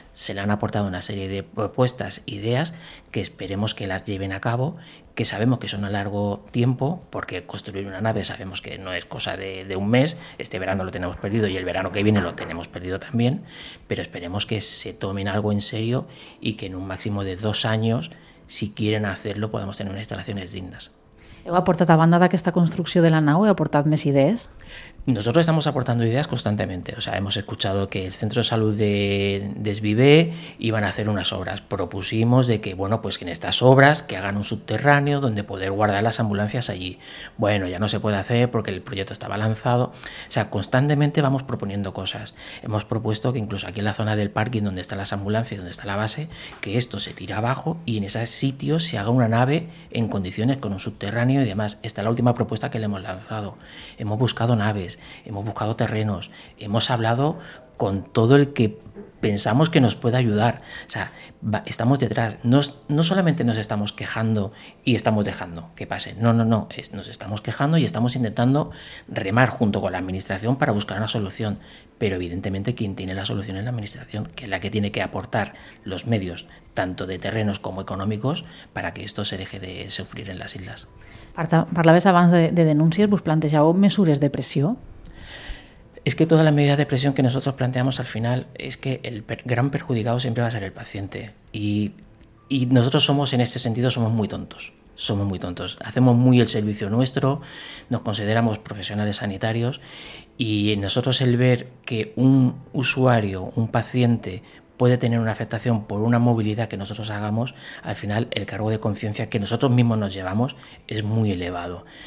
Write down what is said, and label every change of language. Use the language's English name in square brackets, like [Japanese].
[Spanish] Se le han aportado una serie de propuestas, ideas, que esperemos que las lleven a cabo, que sabemos que son a largo tiempo, porque construir una nave sabemos que no es cosa de un mes, este verano lo tenemos perdido y el verano que viene lo tenemos perdido también, pero esperemos que se tomen algo en serio y que en un máximo de 2 años, si quieren hacerlo, podamos tener unas instalaciones dignas. [Catalan] ¿Heu aportat a banda d'aquesta construcció de la nau? ¿Heu aportat més idees? [Spanish] Nosotros estamos aportando ideas constantemente. O sea, hemos escuchado que el centro de salud de Desvivé iban a hacer unas obras. Propusimos de que, bueno, pues que en estas obras que hagan un subterráneo donde poder guardar las ambulancias allí. Bueno, ya no se puede hacer porque el proyecto estaba lanzado. O sea, constantemente vamos proponiendo cosas. Hemos propuesto que incluso aquí en la zona del parking donde están las ambulancias, donde está la base, que esto se tire abajo y en ese sitio se haga una nave en condiciones con un subterráneo y demás. Esta es la última propuesta que le hemos lanzado. Hemos buscado naves, hemos buscado terrenos, hemos hablado con todo el que pensamos que nos puede ayudar. O sea, estamos detrás. No solamente nos estamos quejando y estamos dejando que pase. No. Nos estamos quejando y estamos intentando remar junto con la administración para buscar una solución. Pero evidentemente quien tiene la solución es la administración, que es la que tiene que aportar los medios, tanto de terrenos como económicos, para que esto se deje de sufrir en las islas. [Catalan] Parlaves abans de denúncies, vos plantejàveu mesures de pressió. [Spanish] Es que todas las medidas de presión que nosotros planteamos al final es que el gran perjudicado siempre va a ser el paciente. Y nosotros somos, en este sentido, somos muy tontos. Hacemos muy el servicio nuestro, nos consideramos profesionales sanitarios y nosotros el ver que un usuario, un paciente, puede tener una afectación por una movilidad que nosotros hagamos, al final el cargo de conciencia que nosotros mismos nos llevamos es muy elevado.